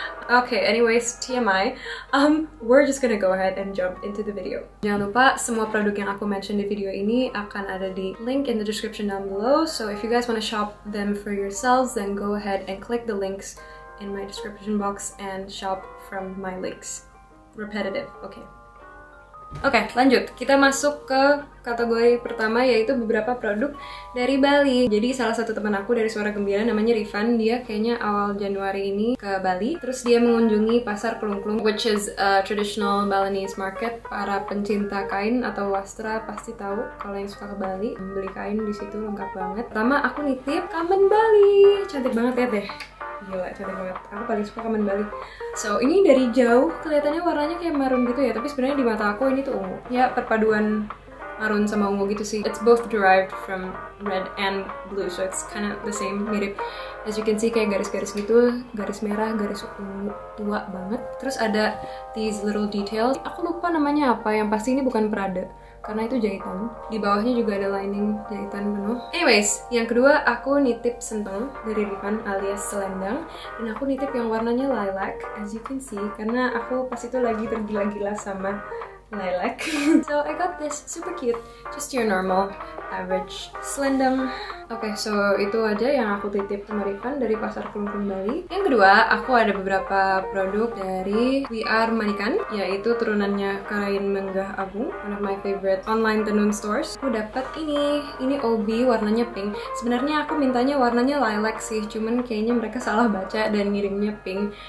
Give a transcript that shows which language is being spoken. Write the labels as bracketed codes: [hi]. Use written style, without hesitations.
[en] Okay, anyways, TMI. We're just gonna go ahead and jump into the video. [id] Jangan lupa, semua produk yang aku mention di video ini akan ada di [en] link in the description down below. So if you guys wanna shop them for yourselves, then go ahead and click the links in my description box and shop from my links. Repetitive, okay. Okay, lanjut. [id] Kita masuk ke kategori pertama, yaitu beberapa produk dari Bali. Jadi salah satu teman aku dari Suara Gembira namanya Rifan, dia kayaknya awal Januari ini ke Bali. Terus dia mengunjungi pasar KLUNGKUNG, [en] which is a traditional Balinese market. [id] Para pencinta kain atau wastra pasti tahu kalau yang suka ke Bali, beli kain di situ lengkap banget. Pertama aku nitip Kamen Bali, cantik banget ya deh. Gila, cantik banget. Aku paling suka Kamen Bali. So, ini dari jauh kelihatannya warnanya kayak maroon gitu ya, tapi sebenarnya di mata aku ini tuh ungu. Ya, perpaduan maroon sama ungu gitu sih. [en] It's both derived from red and blue, so it's kind of the same, mirip. As you can see, [id] kayak garis-garis gitu, garis merah, garis ungu, tua banget. Terus ada [en] these little details. [id] Aku lupa namanya apa, yang pasti ini bukan Prada, karena itu jahitan. Di bawahnya juga ada lining jahitan penuh. Anyways, yang kedua aku nitip Senteng dari Rifan alias Selendang. Dan aku nitip yang warnanya lilac, [en] as you can see, [id] karena aku pas itu lagi tergila-gila sama lilac. [en] So I got this super cute, just your normal average selendang. [id] Okay, so itu aja yang aku titip sama Rifan dari pasar KLUNGKUNG Bali. Yang kedua, aku ada beberapa produk dari We Are Manikan, yaitu turunannya kain menggah abung, [en] one of my favorite online tenun stores. [id] Aku dapat ini obi warnanya pink. Sebenarnya aku mintanya warnanya lilac sih, cuman kayaknya mereka salah baca dan ngirimnya pink.